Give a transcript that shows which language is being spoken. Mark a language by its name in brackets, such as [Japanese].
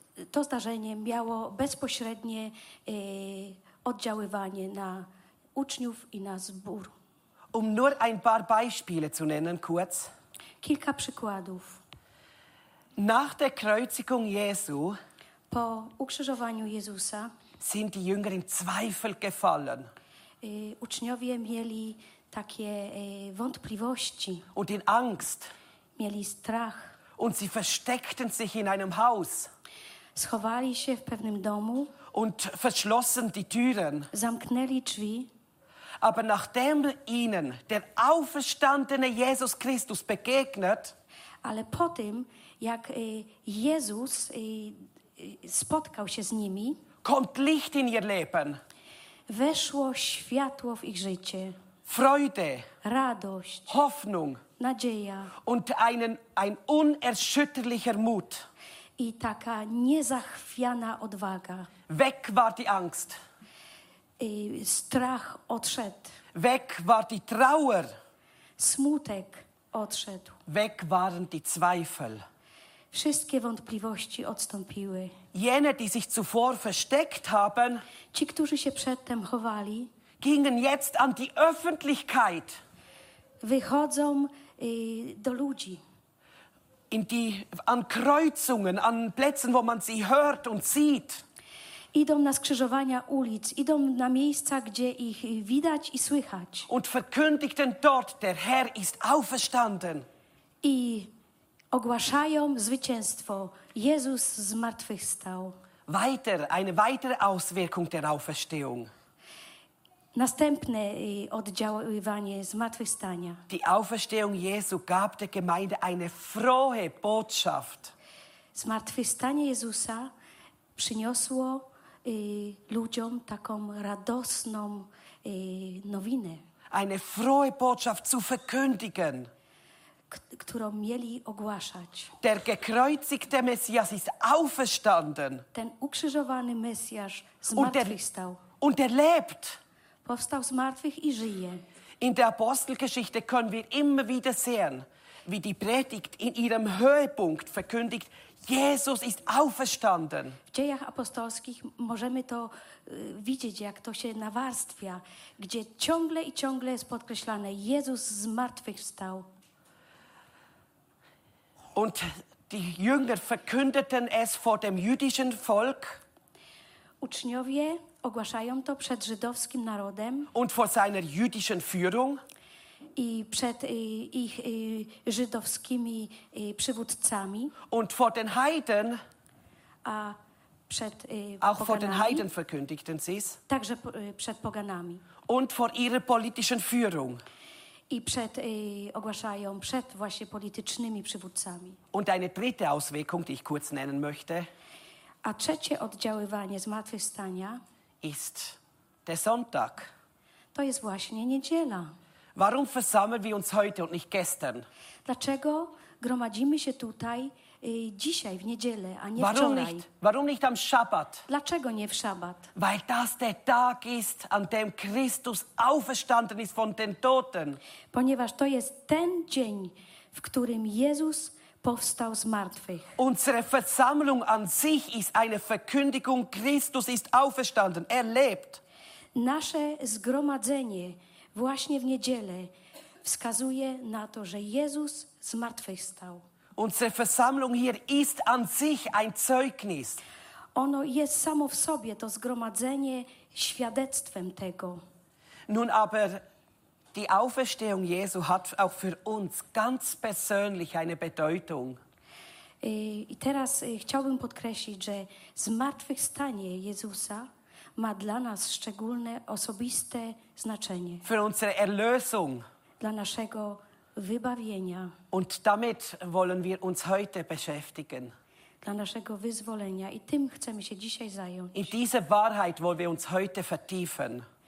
[Polish] To zdarzenie miało bezpośrednie oddziaływanie na uczniów i na zbór. [German] Um nur ein paar Beispiele zu nennen, kurz. [Polish] Kilka przykładów. [German] Nach der Kreuzigung Jesu [Polish] po ukrzyżowaniu Jezusa [German] sind die Jünger in Zweifel gefallen. [Polish] Uczniowie mieli takie wątpliwości. [German] Und in Angst. [Polish] Mieli strach. [German] Und sie versteckten sich in einem Haus. [Polish] Schowali się w pewnym domu. [German] Und verschlossen die Türen. [Polish] Zamknęli drzwi. [German] Aber nachdem ihnen der auferstandene Jesus Christus begegnet, [Polish] ale po tym, jak Jezus spotkał się z nimi, [German] kommt Licht in ihr Leben. [Polish] Weszło światło w ich życie. [German] Freude, [Polish] radość, [German] Hoffnung, [Polish] nadzieja [German] und ein unerschütterlicher Mut. [Polish] I taka niezachwiana odwaga. [German] Weg war die Angst. [Polish] I strach odszedł. [German] Weg war die Trauer. [Polish] Smutek odszedł. [German] Weg waren die Zweifel. [Polish] Wszystkie wątpliwości odstąpiły. [German] Jene, die sich zuvor versteckt haben, [Polish] ci, którzy się przedtem chowali, [German] gingen jetzt an die Öffentlichkeit. [Polish] Wychodzą do ludzi. [German] In die, an Kreuzungen, an Plätzen, wo man sie hört und sieht. [Polish] Idą na skrzyżowania ulic, idą na miejsca, gdzie ich widać i słychać. [German] Und verkündigten dort, der Herr ist auferstanden. [Polish] I ogłaszają zwycięstwo. Jezus zmartwychwstał. [German] Weiter, eine weitere Auswirkung der Auferstehung. [Polish] Następne oddziaływanie zmartwychwstania. [German] Die Auferstehung Jesu gab der Gemeinde eine frohe Botschaft. [Polish] Zmartwychwstanie Jezusa przyniosło ludziom taką radosną nowinę. [German] Eine frohe Botschaft zu verkündigen. [Polish] Którą mieli ogłaszać. [German] Der gekreuzigte Messias ist auferstanden. [Polish] Ten ukrzyżowany Mesjasz zmartwychwstał. [German] Und er lebt. [Polish] Powstał z martwych i żyje. [German] In der Apostelgeschichte können wir immer wieder sehen, wie die Predigt in ihrem Höhepunkt verkündigt, Jesus ist auferstanden. [Polish] W dziejach apostolskich możemy to widzieć, jak to się nawarstwia, gdzie ciągle i ciągle jest podkreślane, Jezus zmartwychwstał. [German] Und die Jünger verkündeten es vor dem jüdischen Volk. [Polish] Uczniowie ogłaszają to przed żydowskim narodem. [German] Und vor seiner jüdischen Führung. [Polish] I przed ich żydowskimi przywódcami. [German] Und vor den Heiden. [Polish] A przed [German] auch vor den Heiden verkündigten sie es. [Polish] Także przed poganami. [German] Und vor ihrer politischen Führung. [Polish] I przed ogłaszają przed właśnie politycznymi przywódcami. [German] Und eine dritte Auswirkung, die ich kurz nennen möchte. [Polish] A trzecie oddziaływanie zmartwychwstania [German] ist der Sonntag. [Polish] To jest właśnie niedziela. [German] Warum versammeln wir uns heute und nicht gestern? [Polish] Dlaczego gromadzimy się tutaj dzisiaj w niedzielę, a nie [German] warum [Polish] wczoraj? [German] Warum nicht am Schabbat? [Polish] Dlaczego nie w Szabat? [German] Weil das der Tag ist, an dem Christus auferstanden ist von den Toten. [Polish] Ponieważ to jest ten dzień, w którym Jezus powstał z martwych. [German] Unsere Versammlung an sich ist eine Verkündigung, Christus ist auferstanden, er lebt. [Polish] Nasze zgromadzenie właśnie w niedzielę wskazuje na to, że Jezus zmartwychwstał. [German] Unsere Versammlung hier ist an sich ein Zeugnis. [Polish] Ono jest samo w sobie, to zgromadzenie, świadectwem tego. [German] Nun aber die Auferstehung Jesu hat auch für uns ganz persönlich eine Bedeutung. [Polish] I teraz chciałbym podkreślić, że zmartwychwstanie Jezusa ma dla nas szczególne, osobiste znaczenie. [German] Für unsere Erlösung. [Polish] Dla naszego wybawienia. [German] Und damit wollen wir uns heute beschäftigen. [Polish] Dla naszego wyzwolenia i tym chcemy się dzisiaj zająć. [German] In diese Wahrheit wollen wir uns heute vertiefen.